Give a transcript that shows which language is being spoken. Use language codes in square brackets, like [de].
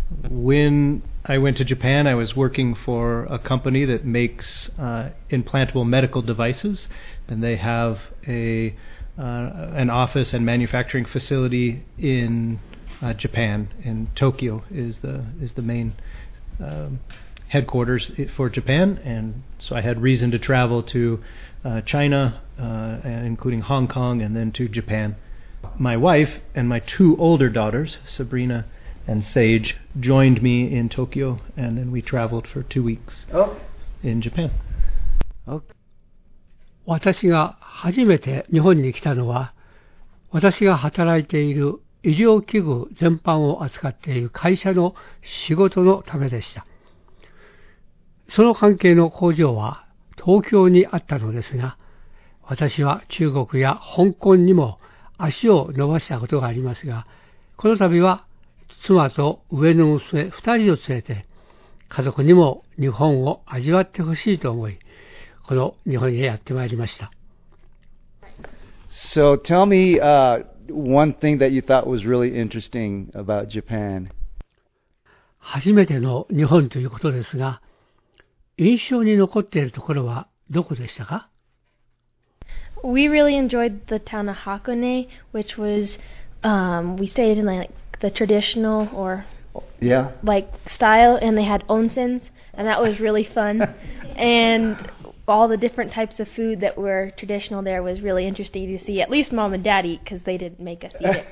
[en] When I went to Japan, I was working for a company that makes implantable medical devices, and they have an office and manufacturing facility in Japan, in Tokyo is the main headquarters for Japan, and so I had reason to travel to China, including Hong Kong, and then to Japan. My wife and my two older daughters, Sabrina and Sage, joined me in Tokyo, and then we traveled for 2 weeks in Japan. Okay. [ja] 私が初めて日本に来たのは、私が働いている医療器具全般を扱っている会社の仕事のためでした。その関係の工場は東京にあったのですが、私は中国や香港にも足を伸ばしたことがありますが、この度は妻と上の娘2人を連れて、家族にも日本を味わってほしいと思い、この日本へやってまいりました。 [en] So tell me one thing that you thought was really interesting about Japan. [ja] 初めての日本ということですが、印象に残っているところはどこでしたか? [en] We really enjoyed the town of Hakone, which was, we stayed in like the traditional or like style, and they had onsens, and that was really fun. And all the different types of food that were traditional there was really interesting to see, at least Mom and Daddy, because they didn't make us eat it.